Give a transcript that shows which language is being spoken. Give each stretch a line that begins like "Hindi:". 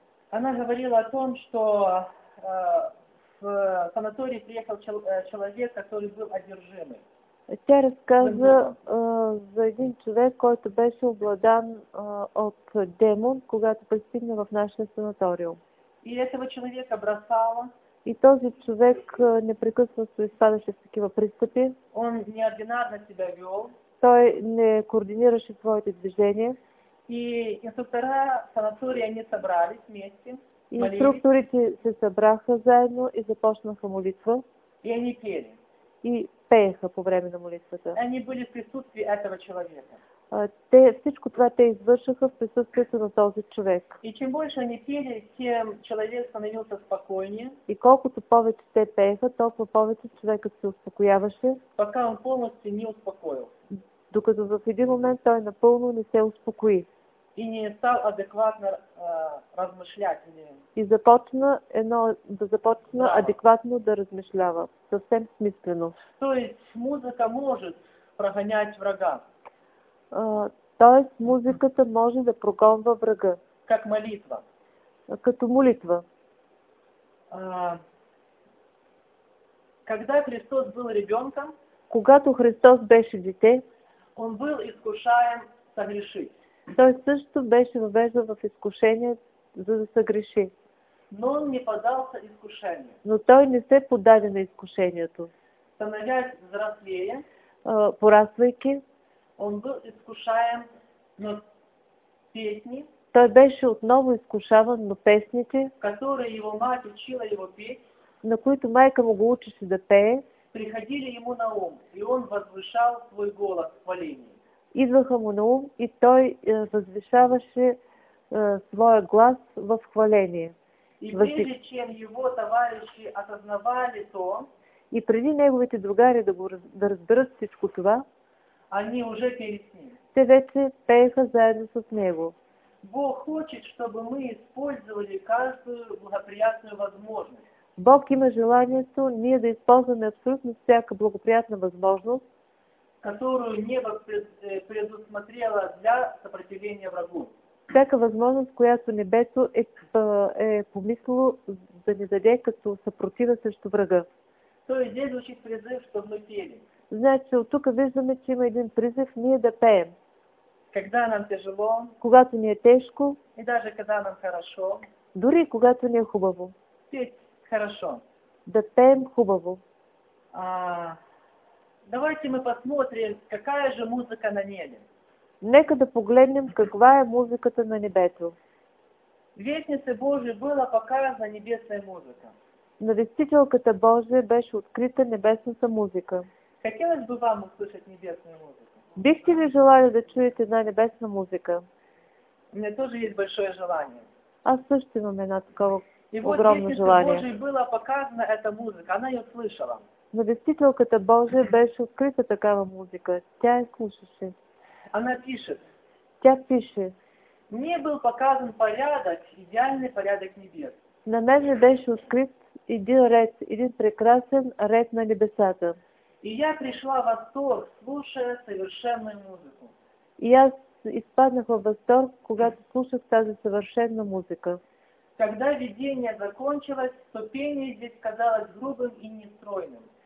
Russian: Она говорила о том, что в санаторий приехал человек, который был одержимый.
Bulgarian: Тя разказа за един човек, който беше обладан от демон, когато пристигна в нашия санаториум.
Russian: И этого человека бросала.
Bulgarian: И този човек непрекъснато изпадаше в такива пристъпи.
Russian: Он неординарно себя вел.
Bulgarian: Той не координираше своите движения.
Russian: И инструктора санатория не събрались вместе.
Bulgarian: И инструкторите се събраха заедно и започнаха молитва.
Russian: И они пели.
Bulgarian: И пееха по време на молитвата.
Russian: Они были в присутствии этого человека.
Bulgarian: Всичко това те извършаха в присъствието на този човек.
Russian: И чем больше они пели, тем человек становился спокойнее.
Bulgarian: И колкото повече те пееха, толкова повече човекът се успокояваше.
Russian: Пока он полностью не успокоил.
Bulgarian: Докато в един момент той напълно не се успокои.
Russian: И не стал адекватно размышлять. Или...
Bulgarian: И започна адекватно да размишлява. Съвсем смислено.
Russian: То есть музыка может прогонять врага.
Bulgarian: Т.е. музиката може да прогонва врага.
Russian: Как молитва.
Bulgarian: Като молитва.
Russian: Когда Христос был ребенком,
Bulgarian: когато Христос беше дете,
Russian: он был искушаем согрешить.
Bulgarian: Той също беше въвеждан в изкушение, за да съгреши.
Russian: Но он не подался искушению.
Bulgarian: Но той не се подаде на изкушението.
Russian: Становясь взрослее,
Bulgarian: пораствайки,
Russian: он был искушаем, но песни.
Bulgarian: Той беше отново изкушаван, но песните,
Russian: которые его мать учила его петь,
Bulgarian: на които майка му го учеше да пее,
Russian: приходили ему на ум, и он возвышал свой голос в хвалении.
Bulgarian: Идваха му на ум, и той възвишаваше своя глас в хваление.
Russian: И прежде чем его товарищи осознавали то,
Bulgarian: и преди неговите другари да разберат всичко това,
Russian: они уже пели с ним.
Bulgarian: Те вече пееха заедно с него.
Russian: Бог хочет, чтобы мы использовали каждую благоприятную возможность.
Bulgarian: Бог има желанието ние да използваме абсолютно всяка благоприятна възможност,
Russian: которую небо предусмотрело для сопротивления врагу.
Bulgarian: Всяка възможност, която небето е помислило да ни даде като съпротива срещу врага.
Russian: То есть здесь звучит призыв, чтобы мы пели.
Bulgarian: Значи от тук виждаме, че има един призив ние да пеем.
Russian: Когда нам тяжело,
Bulgarian: когато ни е тежко,
Russian: и даже когда нам хорошо,
Bulgarian: дори когато ни е хубаво,
Russian: петь хорошо,
Bulgarian: да пеем хубаво.
Russian: Давайте мы посмотрим, какая же музыка на небе.
Bulgarian: Нека да погледнем каква е музиката на небето.
Russian: Вестнице Божие было показана небесная музыка.
Bulgarian: На вестителката Божия беше открита небесната музика.
Russian: Хотелось бы вам услышать небесную музыку?
Bulgarian: Бихте ли желали да чуете една небесна музика?
Russian: У меня тоже есть большое желание.
Bulgarian: Аз също имам една такова огромно
Russian: И вот вестнице Божие было показана эта музыка, она ее слышала.
Bulgarian: На вестителката Божия беше открыта такава музика. Тя я слушаше.
Russian: Она пишет.
Bulgarian: Тя пише.
Russian: Мне был показан порядок, идеальный порядок небес.
Bulgarian: На мен беше открыт един ред, един прекрасен ред на небесата.
Russian: И я пришла в восторг, слушая совершенную музыку.
Bulgarian: И аз изпаднах в восторг, когато слушах тази съвършенна музика.
Russian: Когда видение закончилось, то пение здесь казалось грубым и нестройным.